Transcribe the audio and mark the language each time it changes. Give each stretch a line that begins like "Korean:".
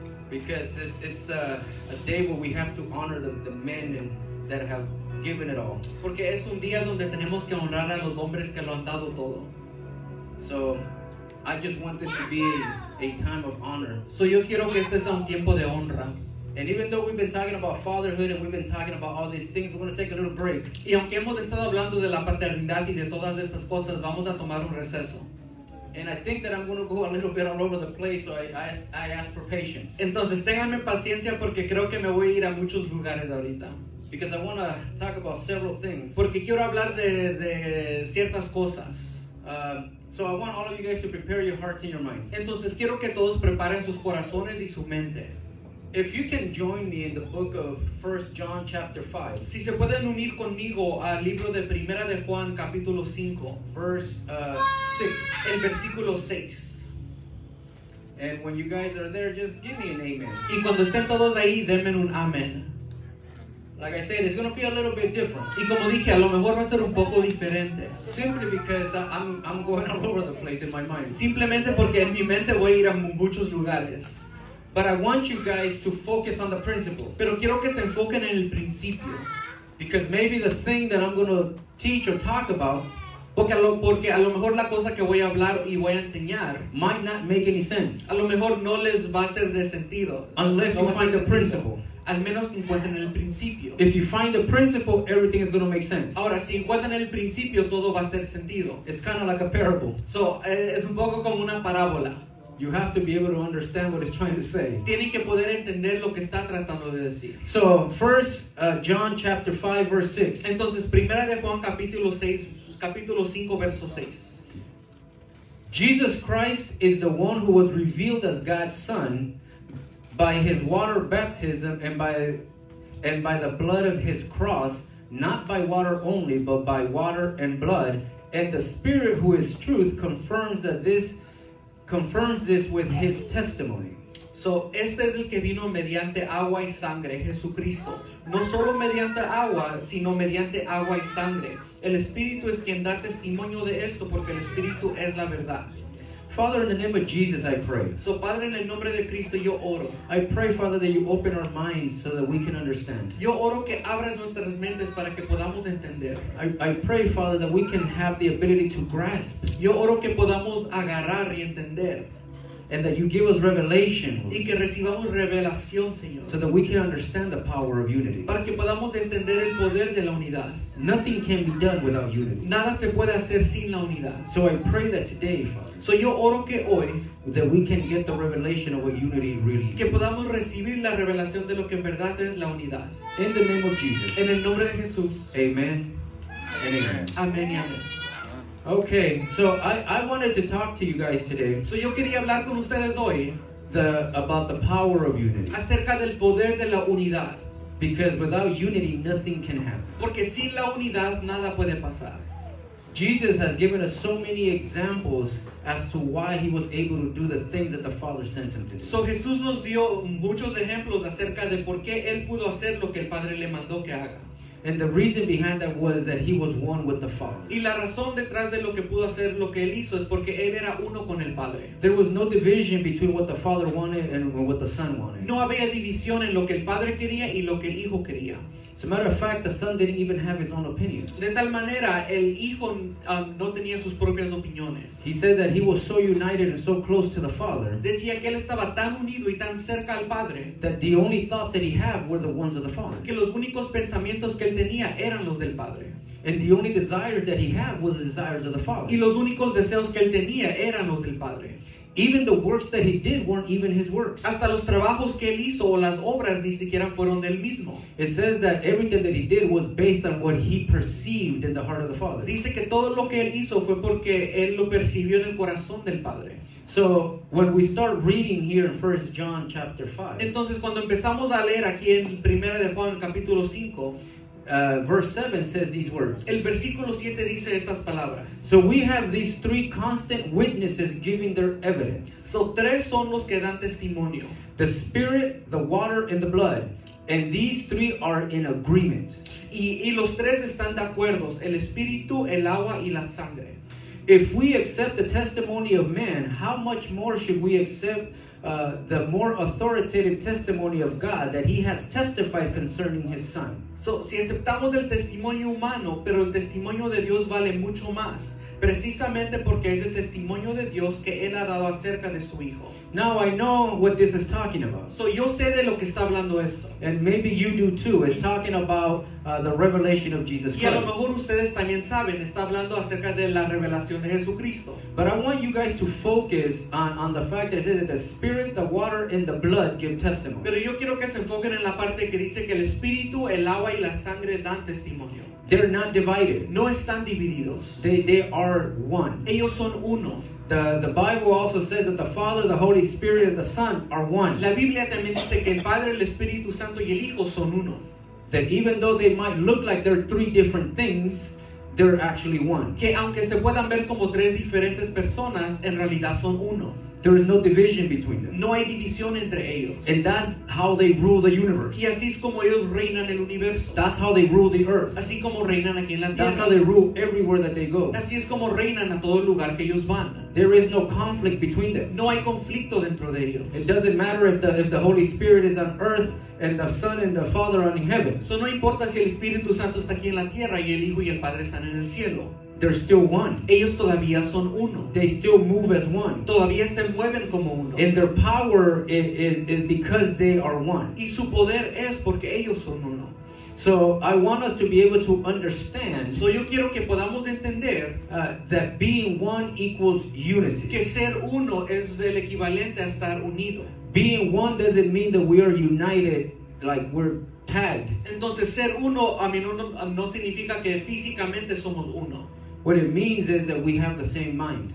English: Because it's a day where we have to honor the men and that have given it all.
Spanish: Porque es un día donde tenemos que honrar a los hombres que lo han dado todo.
English: So I just want this to be a time of honor.
Spanish: So yo quiero que este sea un tiempo de honra.
English: And even though we've been talking about fatherhood and we've been talking about all these things, we're going to take a little break.
Spanish: Y aunque hemos estado hablando de la paternidad y de todas estas cosas, vamos a tomar un receso.
English: And I think that I'm going to go a little bit all over the place, so I ask for patience.
Spanish: Entonces, ténganme paciencia porque creo que me voy a ir a muchos lugares ahorita.
English: Because I want to talk about several things.
Spanish: Porque quiero hablar de ciertas cosas.
English: So I want all of you guys to prepare your hearts and your mind.
Spanish: Entonces, quiero que todos preparen sus corazones y su mente.
English: If you can join me in the book of 1 John chapter 5.
Spanish: Si se pueden unir conmigo al libro de Primera de Juan capítulo 5.
English: Verse 6. And when you guys are there, just give me an amen.
Spanish: Y cuando estén todos ahí, denme un amen.
English: Like I said, it's going to be a little bit different.
Spanish: Y como dije, a lo mejor va a ser un poco diferente.
English: Simply because I'm going all over the place in my mind.
Spanish: Simplemente porque en mi mente voy a ir a muchos lugares.
English: But I want you guys to focus on the principle.
Spanish: Pero quiero que se enfoquen en el principio.
English: Because maybe the thing that I'm going to teach or talk about,
Spanish: porque a lo mejor la cosa que voy a hablar y voy a enseñar,
English: might not make any sense.
Spanish: A lo mejor no les va a ser de sentido.
English: Unless you find the principle.
Spanish: Al menos encuentren el principio.
English: If you find the principle, everything is going to make sense.
Spanish: Ahora, si encuentran el principio, todo va a ser sentido.
English: It's kind of like a parable.
Spanish: So, es un poco como una parábola.
English: You have to be able to understand what it's trying to say.
Spanish: Tienen que poder entender lo que está tratando de decir.
English: So, first John chapter 5 verse 6.
Spanish: Entonces, Primera de Juan capítulo 6, capítulo 5 verso 6.
English: Jesus Christ is the one who was revealed as God's son by his water baptism and by the blood of his cross, not by water only, but by water and blood, and the Spirit who is truth confirms this with his testimony.
Spanish: So, este es el que vino mediante agua y sangre, Jesucristo. No solo mediante agua, sino mediante agua y sangre. El Espíritu es quien da testimonio de esto, porque el Espíritu es la verdad.
English: Father, in the name of Jesus, I pray.
Spanish: So, Padre, en el nombre de Cristo, yo oro.
English: I pray, Father, that you open our minds so that we can understand.
Spanish: Yo oro que abras nuestras mentes para que podamos entender.
English: I pray, Father, that we can have the ability to grasp.
Spanish: Yo oro que podamos agarrar y entender.
English: And that you give us revelation.
Spanish: Y que recibamos revelación, Señor.
English: So that we can understand the power of unity.
Spanish: Para que podamos entender el poder de la unidad.
English: Nothing can be done without unity.
Spanish: Nada se puede hacer sin la unidad.
English: So I pray that today, Father.
Spanish: So yo oro que hoy.
English: That we can get the revelation of what unity really is.
Spanish: Que podamos recibir la revelación de lo que en verdad es la unidad.
English: In the name of Jesus.
Spanish: En el nombre de Jesús.
English: Amen. And amen.
Spanish: Amén y amén.
English: Okay, so I wanted to talk to you guys today.
Spanish: So yo quería hablar con ustedes hoy
English: about the power of unity.
Spanish: Acerca del poder de la unidad.
English: Because without unity, nothing can happen.
Spanish: Porque sin la unidad, nada puede pasar.
English: Jesus has given us so many examples as to why he was able to do the things that the Father sent him to do.
Spanish: So Jesús nos dio muchos ejemplos acerca de por qué él pudo hacer lo que el Padre le mandó que haga.
English: And the reason behind that was that he was one with the Father.
Spanish: Y la razón detrás de lo que pudo hacer lo que él hizo es porque él era uno con el Padre.
English: There was no division between what the Father wanted and what the Son wanted.
Spanish: No había división en lo que el Padre quería y lo que el Hijo quería.
English: As a matter of fact, the Son didn't even have his own opinions.
Spanish: De tal manera, el Hijo no tenía sus propias opiniones.
English: He said that he was so united and so close to the Father.
Spanish: Decía que él estaba tan unido y tan cerca al Padre.
English: That the only thoughts that he had were the ones of the Father.
Spanish: Que los únicos pensamientos que él tenía eran los del Padre.
English: And the only desires that he had were the desires of the Father.
Spanish: Y los únicos deseos que él tenía eran los del Padre.
English: Even the works that he did weren't even his works.
Spanish: Hasta los trabajos que él hizo o las obras ni siquiera fueron del mismo.
English: It says that everything that he did was based on what he perceived in the heart of the Father.
Spanish: Dice que todo lo que él hizo fue porque él lo percibió en el corazón del Padre.
English: So when we start reading here in 1 John chapter 5.
Spanish: Entonces cuando empezamos a leer aquí en Primera de Juan capítulo 5.
English: Verse 7 says these words.
Spanish: El versículo 7 dice estas palabras.
English: So we have these three constant witnesses giving their evidence.
Spanish: So tres son los que dan testimonio.
English: The Spirit, the water, and the blood. And these three are in agreement.
Spanish: Y los tres están de acuerdo, el espíritu, el agua y la sangre.
English: If we accept the testimony of man, how much more should we accept the more authoritative testimony of God that he has testified concerning his son?
Spanish: So, si aceptamos el testimonio humano, pero el testimonio de Dios vale mucho más, precisamente porque es el testimonio de Dios que él ha dado acerca de su hijo.
English: Now I know what this is talking about.
Spanish: So yo sé de lo que está hablando esto.
English: And maybe you do too. It's talking about the revelation of Jesus Christ.
Spanish: Y a lo mejor ustedes también saben, está hablando acerca de la revelación de Jesucristo.
English: But I want you guys to focus on the fact that it says that the spirit, the water, and the blood give testimony.
Spanish: Pero yo quiero que se enfoquen en la parte que dice que el espíritu, el agua y la sangre dan testimonio.
English: They're not divided.
Spanish: No están divididos.
English: They are one.
Spanish: Ellos son uno.
English: The Bible also says that the Father, the Holy Spirit, and the Son are one.
Spanish: La Biblia también dice que el Padre, el Espíritu Santo y el Hijo son uno.
English: That even though they might look like they're three different things, they're actually one.
Spanish: Que aunque se puedan ver como tres diferentes personas, en realidad son uno.
English: There is no division between them.
Spanish: No hay división entre ellos.
English: And that's how they rule the universe.
Spanish: Y así es como ellos reinan el universo.
English: That's how they rule the earth.
Spanish: Así como reinan aquí en la tierra.
English: That's how they rule everywhere that they go.
Spanish: Así es como reinan a todo lugar que ellos van.
English: There is no conflict between them.
Spanish: No hay conflicto dentro de ellos.
English: It doesn't matter if the Holy Spirit is on earth and the Son and the Father are in heaven.
Spanish: So no importa si el Espíritu Santo está aquí en la tierra y el Hijo y el Padre están en el cielo.
English: They're still one.
Spanish: Ellos todavía son uno.
English: They still move as one.
Spanish: Todavía se mueven como uno.
English: And their power is because they are one.
Spanish: Y su poder es porque ellos son uno.
English: So I want us to be able to understand.
Spanish: So yo quiero que podamos entender
English: that being one equals unity.
Spanish: Que ser uno es el equivalente a estar unido.
English: Being one doesn't mean that we are united like we're tagged.
Spanish: Entonces ser uno, no significa que físicamente somos uno.
English: What it means is that we have the same mind.